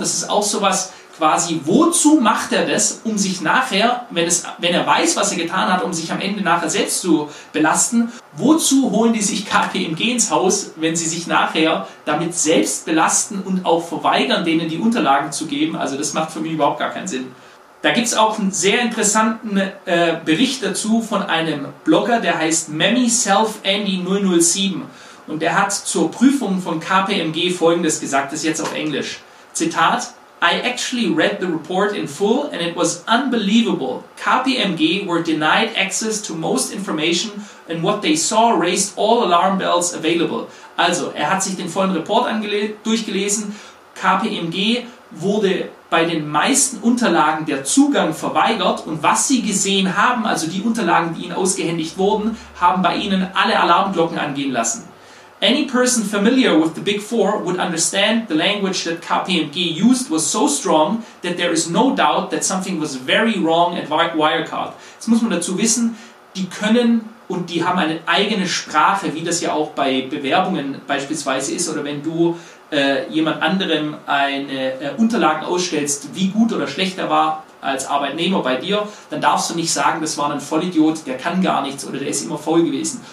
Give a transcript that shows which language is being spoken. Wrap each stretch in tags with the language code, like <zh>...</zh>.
<de>Das ist auch sowas quasi, wozu macht er das, um sich nachher, wenn er weiß, was er getan hat, um sich am Ende nachher selbst zu belasten, wozu holen die sich KPMG ins Haus, wenn sie sich nachher damit selbst belasten und auch verweigern, denen die Unterlagen zu geben? Also das macht für mich überhaupt gar keinen Sinn. Da gibt es auch einen sehr interessanten Bericht dazu von einem Blogger, der heißt MemmySelfAndy007. Und der hat zur Prüfung von KPMG Folgendes gesagt, das ist jetzt auf Englisch.</de> <en>Zitat, I actually read the report in full and it was unbelievable. KPMG were denied access to most information and what they saw raised all alarm bells available.</en> <de>Also, er hat sich den vollen Report durchgelesen. KPMG wurde bei den meisten Unterlagen der Zugang verweigert und was sie gesehen haben, also die Unterlagen, die ihnen ausgehändigt wurden, haben bei ihnen alle Alarmglocken angehen lassen.</de> <en>Any person familiar with the Big Four would understand the language that KPMG used was so strong that there is no doubt that something was very wrong at Wirecard.</en> <de>Jetzt muss man dazu wissen, die können und die haben eine eigene Sprache, wie das ja auch bei Bewerbungen beispielsweise ist oder wenn du jemand anderem eine Unterlagen ausstellst, wie gut oder schlecht er war als Arbeitnehmer bei dir, dann darfst du nicht sagen, das war ein Vollidiot, der kann gar nichts oder der ist immer faul gewesen.</de>